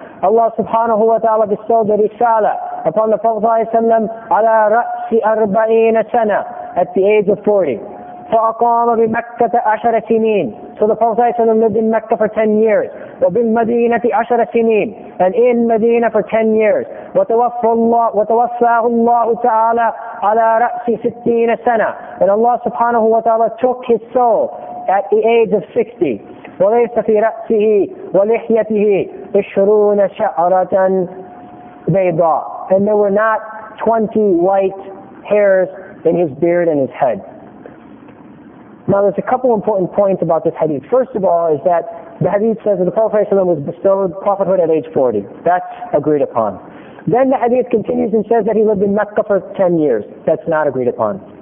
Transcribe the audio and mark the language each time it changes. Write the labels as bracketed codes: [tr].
[en] Allah subhanahu wa ta'ala bestowed the risala upon the Prophet ﷺ [ar] عَلَىٰ رَأْسِ أَرْبَعِينَ سَنَةً [en] at the age of 40. [ar] فَأَقَامَ بِمَكَّةَ عَشَرَ سِنِينَ. [en] So the Prophet ﷺ lived in Mecca for 10 years. [ar] وبالمدينة عشر سنين. [en] And in Medina for 10 years. [ar] وتوفاه الله تعالى على رأس 60 سنة. [en] And Allah subhanahu wa ta'ala took his soul at the age of 60. [ar] وليس في رأسه ولحيته 20 شعرة بيضاء. [en] And there were not 20 white hairs in his beard and his head. Now there's a couple important points about this hadith. First of all is that the hadith says that the Prophet ﷺ was bestowed prophethood at age 40. That's agreed upon. Then the hadith continues and says that he lived in Mecca for 10 years. That's not agreed upon.